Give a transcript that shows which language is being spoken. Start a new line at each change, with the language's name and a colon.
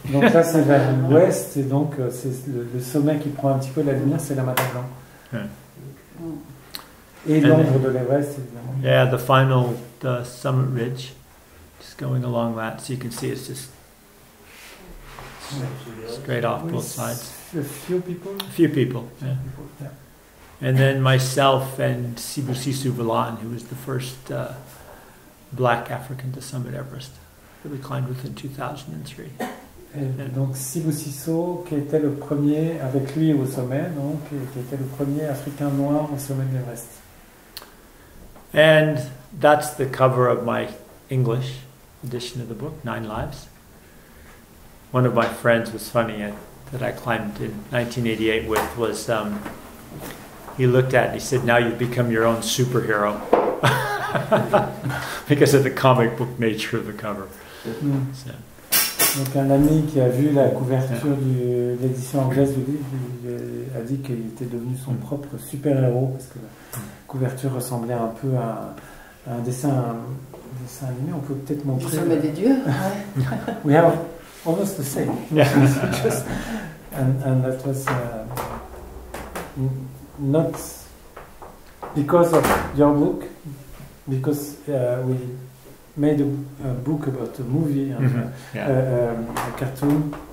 French: Donc là, c'est vers l'ouest, et donc c'est le sommet qui prend un petit peu la lumière, c'est l'Amadablam. Et l'ombre de l'Everest, évidemment.
English: Yeah, the final, the summit ridge, just going along that, so you can see it's just straight off both sides. A few people, yeah. And then myself and Sibu Sisu Vilan, who was the first black African to summit Everest, that we climbed with in 2003.
French: Et donc Sibu Sisu, qui était le premier avec lui au sommet, donc, qui était le premier Africain noir au sommet de l'Everest.
English: And that's the cover of my English edition of the book, Nine Lives. One of my friends was funny, that I climbed in 1988 with, was he looked at it and he said, now you've become your own superhero. Because of the comic book nature of the cover. So.
French: Donc un ami qui a vu la couverture de l'édition anglaise du livre a dit qu'il était devenu son propre super-héros parce que la couverture ressemblait un peu à un dessin animé. On peut peut-être montrer. Le sommet des dieux.
English: We have almost the same. Yeah. Just, and that was not because of your book, because we made a book about a movie, and a cartoon.